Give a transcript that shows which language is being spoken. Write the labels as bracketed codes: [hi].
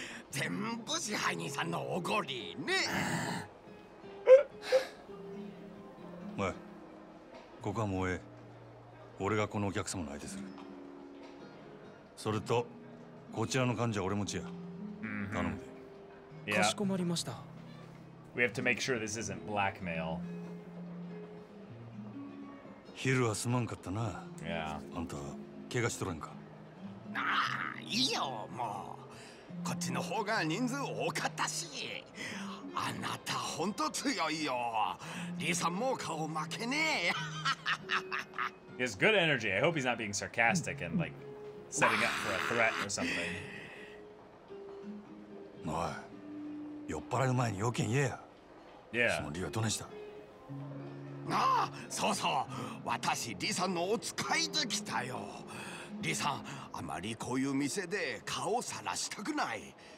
[ja] 全部支配人さんのおごりね。おい、ここはもうええ。俺がこのお客様の相手する。それと、こちらの患者は俺持ちや。 Mm-hmm. 頼むで。かしこまりました。 [en] We have to make sure this isn't blackmail. [ja] 昼はすまんかったな。 Yeah. あんた、怪我しとらんか。ああ、いいよ、もう。こっちの方が人数多かったし。あなた、ほんと強いよ。リーさんも顔負けねえ。 [en] He has good energy. I hope he's not being sarcastic and like setting up for a threat or something. [ja] おい、酔っ払う前に用件言えや。そのリーはどないした？ああ、そうそう。私、リーさんのお使いで来たよ。リーさん、あまりこういう店で顔をさらしたくない。